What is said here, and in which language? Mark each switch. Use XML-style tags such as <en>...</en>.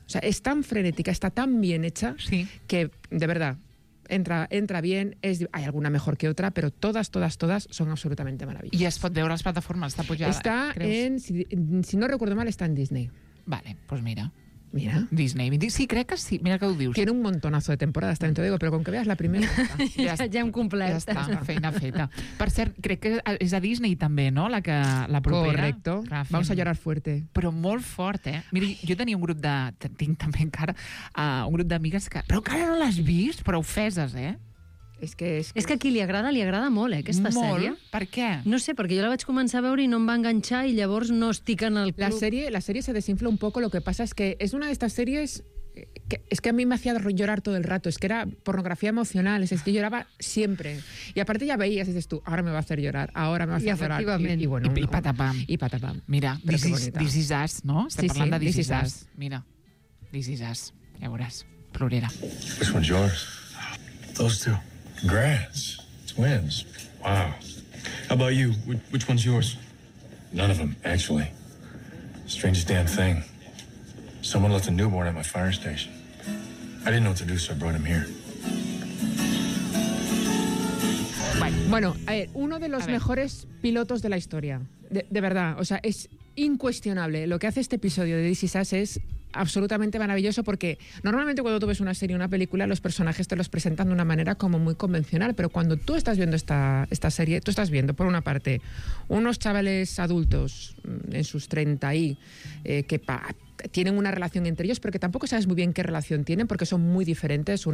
<es>O sea, es tan frenética, está tan bien hecha que, de verdad... Entra bien, hay alguna mejor que otra, pero todas son absolutamente maravillosas. ¿Y es de otras plataformas? ¿Está apoyada? Está en, si no recuerdo mal, está en Disney. Vale, pues mira. Mira.</es> <ca>Disney. Sí, crec que sí. Mira que ho dius.</ca> <es>Tiene un montonazo de temporadas,</es> <ca>també t'ho digo, però com que veas la primera... ja hem complet. Ja està, feina feta. Per cert, crec que és a Disney també, no?, la propera.</ca> <es>Correcto. Vamos a llorar fuerte.</es> <ca>Però molt fort, eh? Mira, jo tenia un grup de... Tinc també encara un grup d'amigues que... Però encara no l'has vist? Però ofeses, eh? És que a qui li agrada molt, aquesta molt? Sèrie. Per què? No sé, perquè jo la vaig començar a veure i no em va enganxar i llavors no estic en el club.</ca> <es>La sèrie se desinfla un poco, lo que pasa es que es una de estas series que es que a mí me hacía llorar todo el rato, es que era pornografía emocional, es que lloraba siempre. Y aparte ya veías, dices tú, ahora me va a hacer llorar, ahora me va a hacer llorar. Y bueno, y patapam. Y patapam.</es> <ca>Mira, This is Us, ¿no? Estem parlant de This is Us. Mira, This is Us. Ya veuràs, plorera.</ca> <en>This one's yours. Those two. Congrats. Twins. Wow. How about you? Which one's yours? None of them, actually. Strangest damn thing. Someone left a newborn at my fire station. I didn't know what to do, so I brought him here.</en> <es>Bueno, a ver, uno de los mejores pilotos de la historia. De verdad, o sea, es incuestionable. Lo que hace este episodio de This Is Us es... absolutamente maravilloso, porque normalmente cuando tú ves una serie o una película, los personajes te los presentan de una manera como muy convencional, pero cuando tú estás viendo esta serie, tú estás viendo, por una parte, unos chavales adultos en sus 30 y que tienen una relación entre ellos, pero que tampoco sabes muy bien qué relación tienen, porque son muy diferentes.</es>